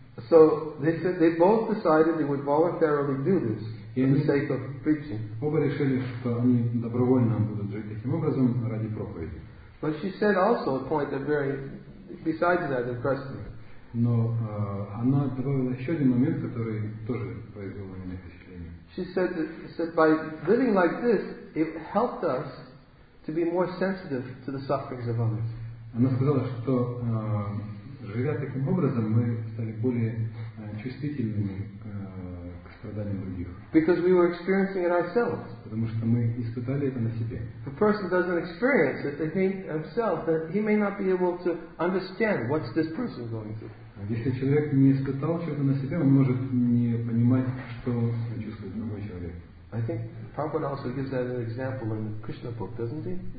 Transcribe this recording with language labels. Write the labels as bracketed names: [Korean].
[English] So they said they both decided they would voluntarily do this for the sake of preaching. [Russian] Оба решили, что они добровольно будут жить таким образом ради проповеди. [English] But she said also a point that very, besides that, impressed me. [Russian] Но она добавила еще один момент, который тоже произвел на меня впечатление. [English] She said by living like this, it helped us to be more sensitive to the sufferings of others. [Russian] Она сказала, что живя таким образом, мы стали более чувствительными к страданиям других. [English] Because we were experiencing it ourselves. [Russian] Потому что мы испытали это на себе. [English] A person doesn't experience it in himself, that he may not be able to understand what's this person going through. [Russian] Если человек не испытал чего-то на себе, он может не понимать, что чувствует другой человек. [English] I think Prabhupada also gives that an example in the Krishna book, doesn't he?